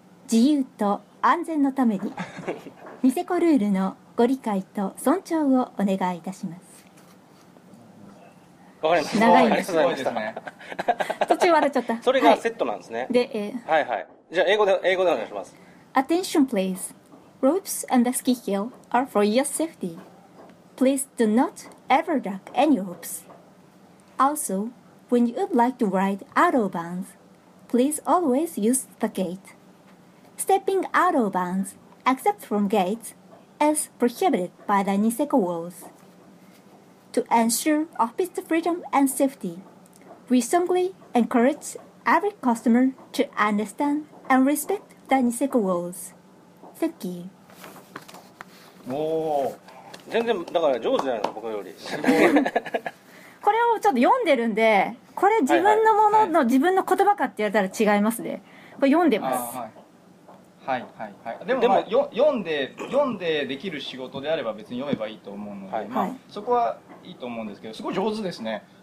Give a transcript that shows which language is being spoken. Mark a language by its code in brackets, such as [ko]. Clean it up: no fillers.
[ja] 自由と安全のために、ニセコルールのご理解と尊重をお願いいたします。わかりました。 長いです。すごいですね。途中笑っちゃった。それがセットなんですね。で、はいはい。じゃあ英語でお願いします。 [en] Attention please. Ropes and the ski hill are for your safety. Please do not ever duck any ropes. Also, when you would like to ride out of bounds, please always use the gate. Stepping out of bounds, except from gates, is prohibited by the Niseko walls. To ensure office freedom and safety, we strongly encourage every customer to understand and respect the Niseko walls. Thank you. [ja] おお、全然だから上手じゃないの僕より。これをちょっと読んでるんで、これ自分のものの、はいはいはい、自分の言葉かって言われたら違いますね。これ読んでます。はいはいはい、でも、まあ、読んでできる仕事であれば別に読めばいいと思うので、はいまあ、そこはいいと思うんですけど、すごい上手ですね。